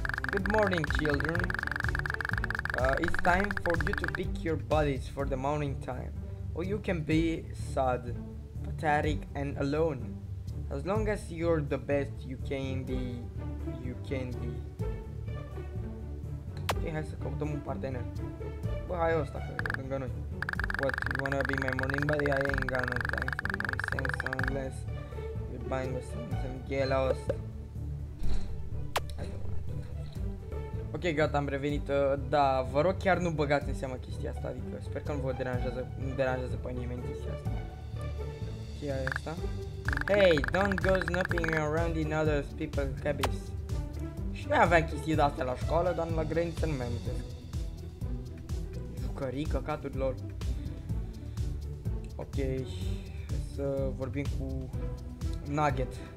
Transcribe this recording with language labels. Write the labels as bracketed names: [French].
[English] Good morning, children. It's time for you to pick your buddies for the morning time. Or you can be sad, pathetic, and alone. As long as you're the best you can be, you can be. [Romanian] Okay, hai să căutăm un partener. Bă, hai ăsta, că e lângă noi. [English] What, you wanna be my morning buddy? I ain't got no time for nonsense unless you're buying us some gelos. [Romanian] Ok, gata, am revenit, da, vă rog chiar nu băgați în seama chestia asta, adică sper că nu vă deranjează, nu deranjează pe nimeni chestia asta. Ce e asta? [English] Hey, don't go snooping around in other people's cabins. [Romanian] Și noi aveam chestii de-astea la școală, dar la grăniță nu mai amintesc. Jucării, căcaturi lor. Ok, să vorbim cu Nugget.